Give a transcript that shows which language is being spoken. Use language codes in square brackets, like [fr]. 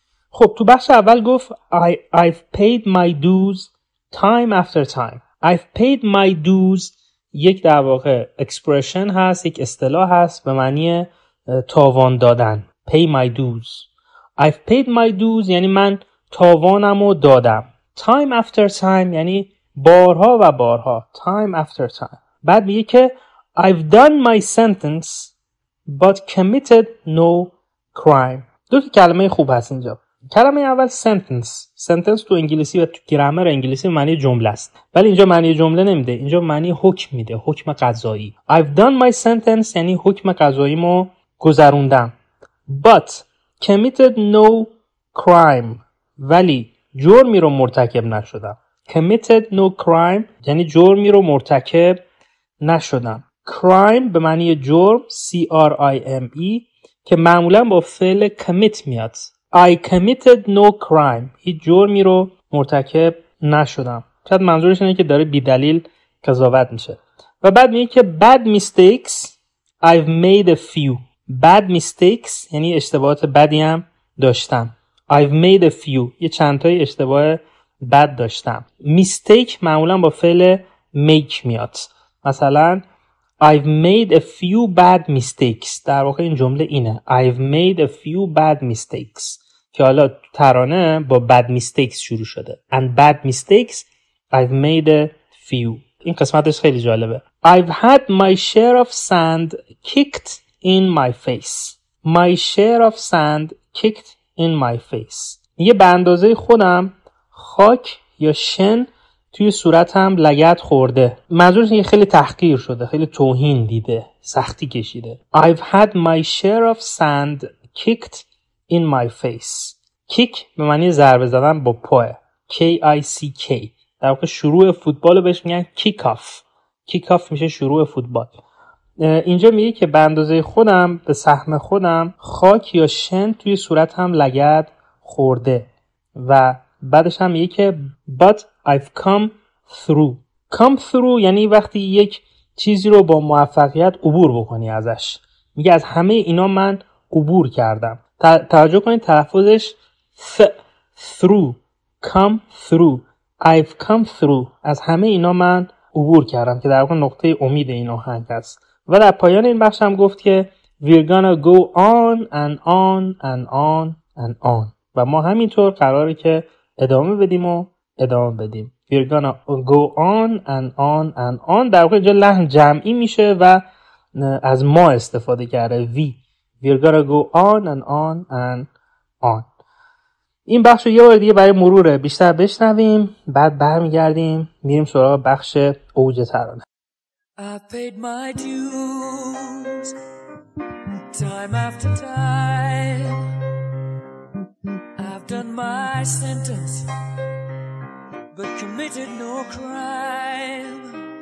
[fa] خب تو بخش اول گفت [en] I've paid my dues time after time. I've paid my dues [fa] یک در واقع expression هست، یک اصطلاح هست به معنی تاوان دادن. [en] Pay my dues. I've paid my dues [fa] یعنی من تاوانم رو دادم. [en] Time after time [fa] یعنی بارها و بارها. [en] Time after time. [fa] بعد میگه که [en] I've done my sentence but committed no crime. [fa] دو تا کلمه خوب هست اینجا. کلمه اول sentence تو انگلیسی و تو گرامر انگلیسی معنی جمله است، ولی اینجا معنی جمله نمیده، اینجا معنی حکم میده، حکم قضایی. [en] I've done my sentence [fa] یعنی حکم قضاییمو گذروندم. [en] But committed no crime [fa] ولی جرمی رو مرتکب نشدم. [en] Committed no crime [fa] یعنی جرمی رو مرتکب نشدم. Crime به معنی جرم crime که معمولا با فعل commit میاد. [en] I committed no crime. [fa] هیچ جرمی رو مرتکب نشدم. شاید منظورش اینه که داره بیدلیل قضاوت میشه. و بعد میگه که [en] bad mistakes I've made a few. Bad mistakes [fa] یعنی اشتباهات بدی هم داشتم. [en] I've made a few. [fa] یه چند تای اشتباه بد داشتم. Mistake معمولا با فعل make میاد. مثلا [en] I've made a few bad mistakes. [fa] در واقع این جمله اینه. [en] I've made a few bad mistakes. [fa] که حالا ترانه با [en] bad mistakes [fa] شروع شده. [en] And bad mistakes, I've made a few. [fa] این قسمتش خیلی جالبه. [en] I've had my share of sand kicked in my face. My share of sand kicked in my face. [fa] یه به اندازه خودم خاک یا شن توی صورتم لگد خورده. منظورش اینه خیلی تحقیر شده، خیلی توهین دیده، سختی کشیده. [en] I've had my share of sand kicked in my face. [fa] Kick به معنی ضربه زدن با پا. K-I-C-K. در واقع شروع فوتبال رو بهش میگن kick off. کیک آف میشه شروع فوتبال. اینجا میگه که به اندازه خودم به سهم خودم خاک یا شن توی صورتم لگد خورده و بعدش هم میگه که [en] but I've come through. come through [fa] یعنی وقتی یک چیزی رو با موفقیت عبور بکنی ازش. میگه از همه اینا من عبور کردم. توجه کنید تلفظش through. [en] come through. I've come through. [fa] از همه اینا من عبور کردم که در واقع نقطه امید این آهنگ است. و در پایان این بخش هم گفت که [en] we're gonna go on and on [fa] and on and on و ما همینطور قراره که ادامه بدیم و ادامه بدیم. [en] we're gonna go on and on [fa] and on در واقع اینجا لحن جمعی میشه و از ما استفاده کرده. [en] we're gonna go on and on and on. [fa] این بخش رو یه بار دیگه برای مرور بیشتر بشنویم، بعد برمیگردیم میریم سراغ بخش اوج ترانه. [en] I've paid my dues time after time. I've done my sentence but committed no crime.